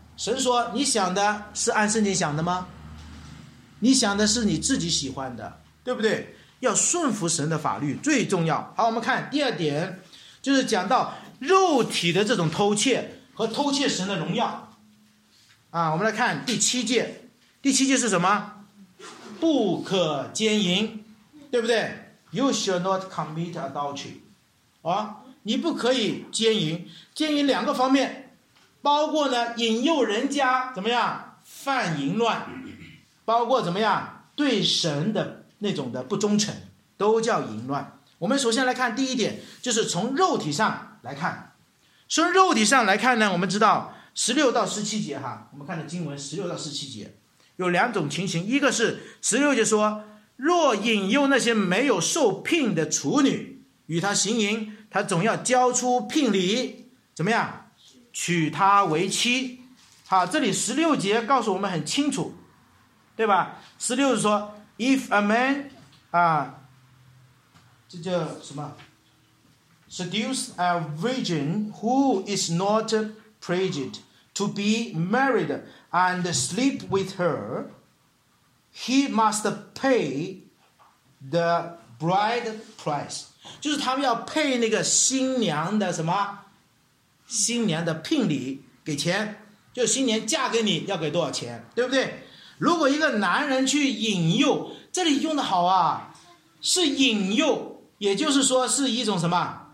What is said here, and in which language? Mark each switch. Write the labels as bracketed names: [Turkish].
[Chinese] 神说，你想的是按圣经想的吗？你想的是你自己喜欢的，对不对？要顺服神的法律最重要。好，我们看第二点，就是讲到肉体的这种偷窃和偷窃神的荣耀啊。我们来看第七戒，第七戒是什么？不可奸淫，对不对？ [English] You shall not commit adultery [Chinese] 啊，你不可以奸淫。奸淫两个方面，包括呢引诱人家怎么样犯淫乱，包括怎么样对神的那种的不忠诚，都叫淫乱。我们首先来看第一点，就是从肉体上来看。从肉体上来看呢，我们知道十六到十七节哈，我们看的经文十六到十七节有两种情形。一个是十六节说，若引诱那些没有受聘的处女与他行淫，他总要交出聘礼，怎么样？娶她为妻。好，这里十六节告诉我们很清楚，对吧？十六是说 [English] if a man [Chinese] 啊，这叫什么？ [English] Seduce a virgin who is not pledged to be married and sleep with her, he must pay the bride price. [Chinese] 就是他们要配那个新娘的什么？新娘的聘礼，给钱。就新娘嫁给你要给多少钱，对不对？如果一个男人去引诱，这里用的好啊，是引诱，也就是说是一种什么？